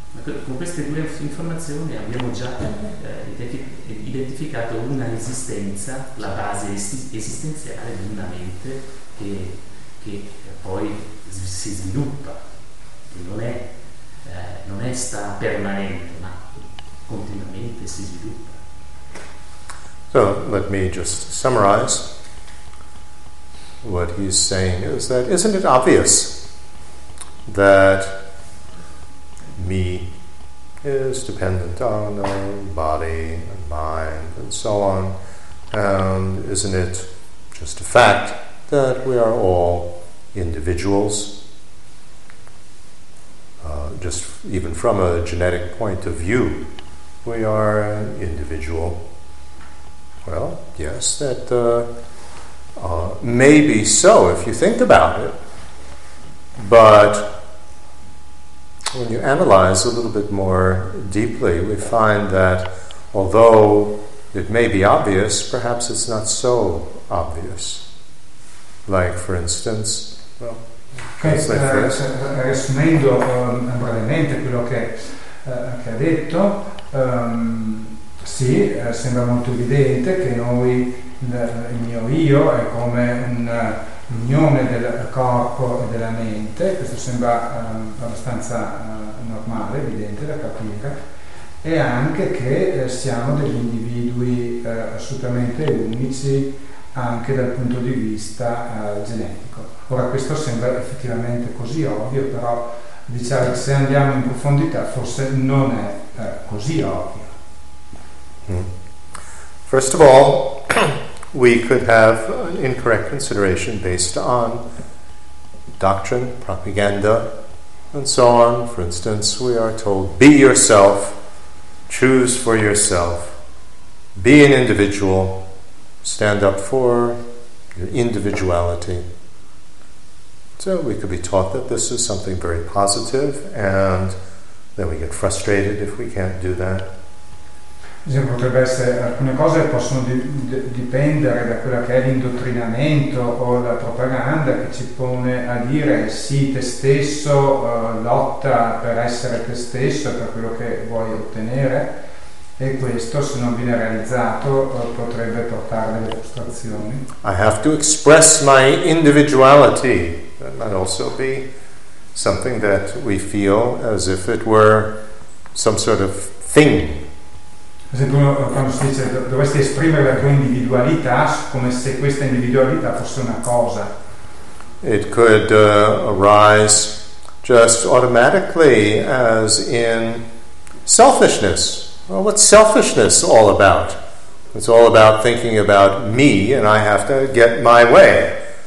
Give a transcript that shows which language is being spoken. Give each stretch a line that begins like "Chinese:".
Italian: Con queste due informazioni abbiamo già identificato una esistenza, la base esistenziale di una mente che poi si sviluppa, che non è sta permanente, ma continuamente si sviluppa.
English: So let me just summarize. What he's saying is that isn't it obvious that me is dependent on a body and mind and so on, and isn't it just a fact that we are all individuals, just even from a genetic point of view we are an individual? Well, yes, that may be so if you think about it, but when you analyze a little bit more deeply, we find that although it may be obvious, perhaps it's not so obvious. Like, for instance,
Italian: riassumendo brevemente quello che ha detto, sì, sembra molto evidente che noi, il mio io, è come un'unione del corpo e della mente. Questo sembra abbastanza normale, evidente da capire, e anche che siamo degli individui assolutamente unici anche dal punto di vista genetico. Ora, questo sembra effettivamente così ovvio, però diciamo che se andiamo in profondità forse non è così ovvio.
English: First of all, we could have an incorrect consideration based on doctrine, propaganda, and so on. For instance, we are told, be yourself, choose for yourself, be an individual, stand up for your individuality. So we could be taught that this is something very positive, and then we get frustrated if we can't do that.
Italian: Potrebbe essere, alcune cose possono dipendere da quella che è l'indottrinamento o la propaganda che ci pone a dire sì, te stesso, lotta per essere te stesso, per quello che vuoi ottenere, e questo, se non viene realizzato, potrebbe portare delle frustrazioni.
English: I have to express my individuality. That might also be something that we feel as if it were some sort of thing.
Italian: Per esempio, quando si dice dovresti esprimere la tua individualità, come se questa individualità fosse una cosa.
English: It could arise just automatically as in selfishness. Well, what's selfishness all about? It's all about thinking about me, and I have to get my way.